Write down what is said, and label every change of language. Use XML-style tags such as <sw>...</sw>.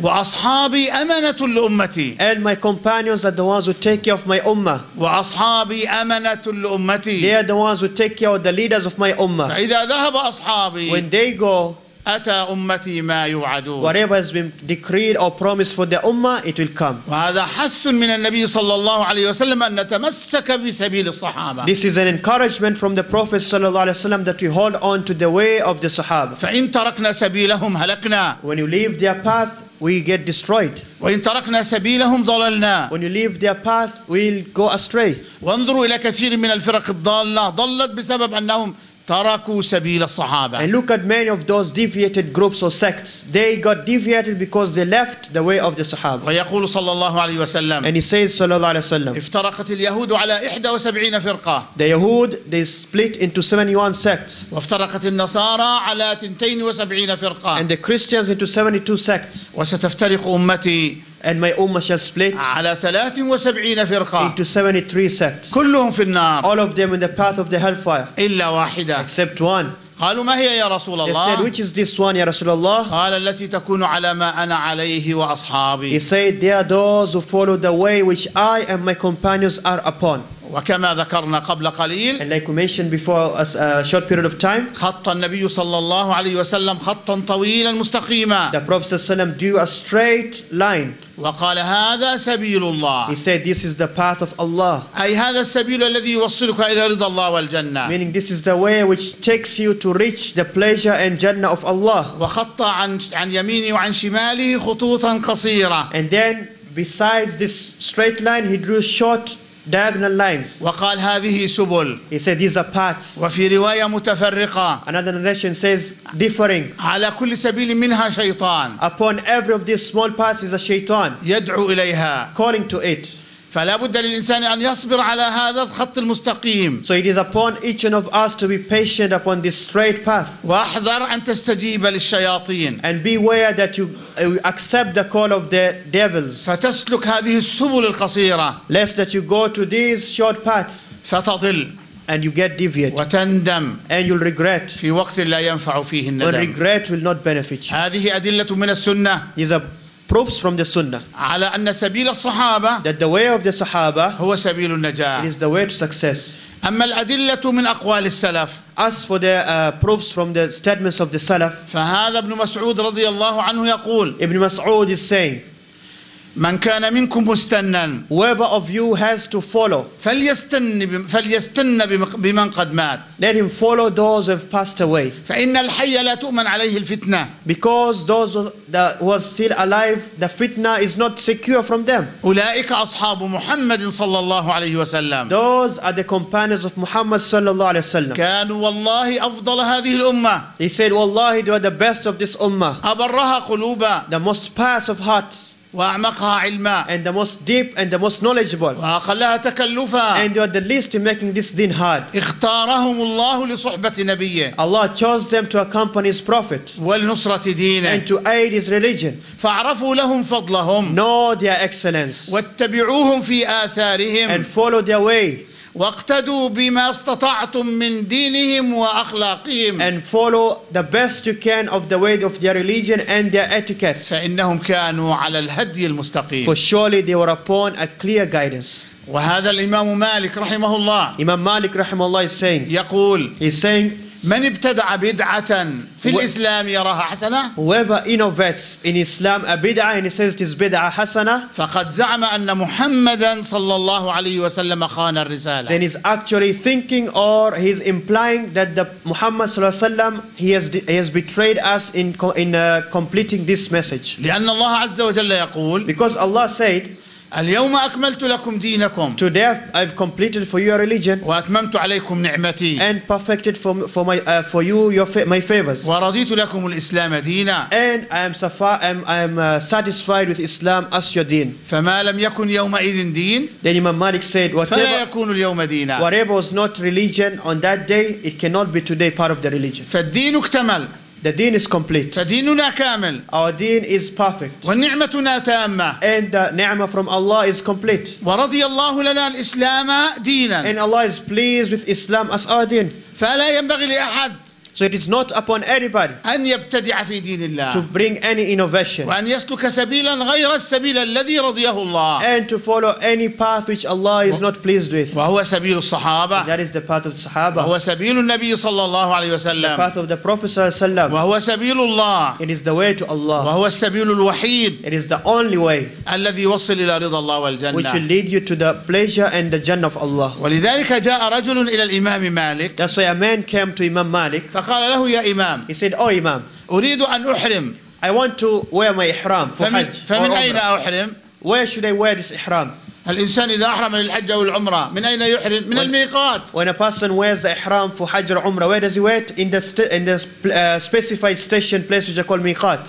<ar>وأصحابي أمانة لأمتي</ar> <en>and my companions are the ones who take care of my ummah.</en> <ar>وأصحابي أمانة لأمتي</ar> <en>they are the ones who take care of the leaders of my ummah.</en> <ar>فإذا ذهب أصحابي</ar> <en>when they go</en> <ar>أتى أمتي ما يوعدون.</ar> <en>Whatever has been decreed or promised for the ummah, it will come.</en> <ar>وهذا حث من النبي صلى الله عليه وسلم أن نتمسك بسبيل الصحابة.</ar> <en>This is an encouragement from the Prophet صلى الله عليه وسلم that we hold on to the way of the Sahaba.</en> <ar>فإن تركنا سبيلهم هلكنا.</ar> <en>When you leave their path, we get destroyed.</en> <ar>وإن تركنا سبيلهم ضللنا.</ar> <en>When you leave their path, we'll go astray.</en> <ar>وانظروا إلى كثير من الفرق الضالة ضلت بسبب أنهم تركوا سبيل الصحابة.</ar> <en>And look at many of those deviated groups or sects. They got deviated because they left the way of the Sahaba.</en> <ar>ويقول صلى الله عليه وسلم.</ar> <en>And he says صلى الله عليه وسلم.</en> <ar>افترقت اليهود على 71 فرقة.</ar> <en>The Yahud they split into 71 sects.</en> <ar>وافترقت النصارى على 72 فرقة.</ar> <en>And the Christians into 72 sects.</en> <ar>وستفترق أمتي.</ar> <en>And my ummah shall split</en> <ar>على 73 فرقة</ar> <en>into 73 sects.</en> <ar>كلهم في النار.</ar> <en>All of them in the path of the hellfire.</en> <ar>إلا واحدة.</ar> <en>Except one.</en> <ar>قالوا ما هي يا رسول الله؟</ar> <en>They said which is this one,</en> <ar>يا رسول الله؟ قال التي تكون على ما أنا عليه وأصحابي.</ar> <en>He said they are those who follow the way which I and my companions are upon.</en> <ar>وكما ذكرنا قبل قليل</ar> <en>and like we mentioned before a short period of time</en> <ar>خط النبي صلى الله عليه وسلم خطا طويلا مستقيما</ar> <en>the prophet صلى الله عليه وسلم drew a straight line</en> <ar>وقال هذا سبيل الله</ar> <en>he said this is the path of Allah</en> <ar>اي هذا السبيل الذي يوصلك الى رضا الله والجنه</ar> <en>meaning this is the way which takes you to reach the pleasure and jannah of Allah</en> <ar>وخط عن يمينه وعن شماله خطوطا قصيره</ar> <en>and then besides this straight line he drew short diagonal lines</en> <ar>وقال هذه سبل</ar> <en>he said these are paths</en> <ar>وفي رواية متفرقة</ar> <en>another narration says differing</en> <ar>على كل سبيل منها شيطان</ar> <en>upon every of these small paths is a shaitan</en> <ar>يدعو إليها</ar> <en>calling to it</en> <ar>فلا بد للإنسان أن يصبر على هذا الخط المستقيم.</ar> <en>So it is upon each one of us to be patient upon this straight path.</en> <ar>واحذر أن تستجيب للشياطين.</ar> <en>And beware that you accept the call of the devils.</en> <ar>فتسلك هذه السبل القصيرة.</ar> <en>Lest that you go to these short paths.</en> <ar>فتضل.</ar> <en>And you get deviated.</en> <ar>وتندم.</ar> <en>And you'll regret.</en> <ar>في وقت لا ينفع فيه الندم.</ar> <en>And regret will not benefit you.</en> <ar>هذه أدلة من السنة.</ar> <en>Proofs from the Sunnah.</en> <ar>على أن سبيل الصحابة.</ar> <en>That the way of the Sahaba.</en> <ar>هو سبيل النجاة.</ar> <en>It is the way to success.</en> <ar>أما الأدلة من أقوال السلف.</ar> <en>As for the proofs from the statements of the Salaf.</en> <ar>فهذا ابن مسعود رضي الله عنه يقول.</ar> <en>Ibn Mas'ud is saying.</en> <ar>من كان منكم مستنا.</ar> <en>Whoever of you has to follow.</en> <ar>فليستن بمن قد مات.</ar> <en>Let him follow those who have passed away.</en> <ar>فإن الحي لا تؤمن عليه الفتنة.</ar> <en>Because those that was still alive, the fitna is not secure from them.</en> <ar>أولئك أصحاب محمد صلى الله عليه وسلم.</ar> <en>Those are the companions of Muhammad صلى الله عليه وسلم.</en> <ar>كانوا والله أفضل هذه الأمة.</ar> <en>He said, والله they were the best of this ummah.</en> <ar>أبرها قلوبا.</ar> <en>The most pious of hearts.</en> <ar>وأعمقها علما</ar> <en>and the most deep and the most knowledgeable</en> <ar>وأقلها تكلفا</ar> <en>and they are the least in making this deen hard</en> <ar>اختارهم الله لصحبة نبيه</ar> <en>Allah chose them to accompany his prophet</en> <ar>ولنصرة دينه</ar> <en>and to aid his religion</en> <ar>فعرفوا لهم فضلهم</ar> <en>know their excellence</en> <ar>واتبعوهم في آثارهم</ar> <en>and follow their way</en> <ar>واقتدوا بما استطعتم من دينهم وأخلاقهم</ar> <en>and follow the best you can of the way of their religion and their etiquettes</en> <ar>فإنهم كانوا على الهدي المستقيم</ar> <en>for surely they were upon a clear guidance</en> <ar>وهذا الإمام مالك رحمه الله</ar> <en>إمام مالك رحمه الله is saying</en> <ar>يقول</ar> <en>he's saying</en> <ar>من ابتدع بدعة في الإسلام يراها حسنة</ar> <en>whoever innovates in Islam a bid'ah and he says it is bid'ah حسنة</en> <ar>فقد زعم أن محمدا صلى الله عليه وسلم خان الرسالة</ar> <en>then he's actually thinking or he's implying that the Muhammad صلى الله عليه وسلم he has betrayed us in completing this message</en> <ar>لأن الله عز وجل يقول</ar> <en>because Allah said</en> <ar>اليوم أكملت لكم دينكم.</ar> <en>Today I've completed for you your religion.</en> <ar>وأتممت عليكم نعمتي.</ar> <en>And perfected for you my favors.</en> <ar>ورضيت لكم الإسلام دينا.</ar> <en>And I am satisfied with Islam as your deen.</en> <ar>فما لم يكن يومئذ دين.</ar> <en>Then Imam Malik said</en> <ar>فلا يكون اليوم دينا.</ar> <en>Whatever was not religion on that day, it cannot be today part of the religion.</en> <ar>فالدين اكتمل.</ar> <en>The deen is complete.</en> <ar>فديننا كامل.</ar> <en>Our deen is perfect.</en> <ar>ونعمتنا تامة.</ar> <en>And the ni'mah from Allah is complete.</en> <ar>ورضي الله لنا الإسلام دينا.</ar> <en>And Allah is pleased with Islam as our deen.</en> <ar>فلا ينبغي لأحد</ar> <en>So it is not upon anybody</en> <ar>أن يبتدع في دين الله</ar> <en>to bring any innovation</en> <ar>وأن يسلك سبيلا غير السبيل الذي رضيه الله</ar> <en>and to follow any path which Allah is not pleased with</en> <ar>وهو سبيل الصحابة</ar> <en>and that is the path of the Sahaba</en> <ar>وهو سبيل النبي صلى الله عليه وسلم</ar> <en>the path of the Prophet صلى الله عليه وسلم</en> <ar>وهو سبيل الله</ar> <en>it is the way to Allah</en> <ar>وهو السبيل الوحيد</ar> <en>it is the only way</en> <ar>الذي يوصل إلى رضا الله والجنة</ar> <en>which will lead you to the pleasure and the Jannah of Allah</en> <ar>ولذلك جاء رجل إلى الإمام مالك</ar> <en>that's why a man came to Imam Malik</en> <ar>قال له يا إمام.</ar> <en>He said, "Oh Imam,</en> <ar>أريد أن أحرم.</ar> <en>I want to wear my إحرام for حج.</en> <ar>فمن أين أحرم?</ar> <en>Where should I wear this إحرام?</en> <ar>الإنسان إذا أحرم للحج أو العمرة من أين يحرم؟ من الميقات.</ar> <en>When a person wears the ihram for Hajj or Umrah, where does he wait? In the specified station place which are called ميقات.</en>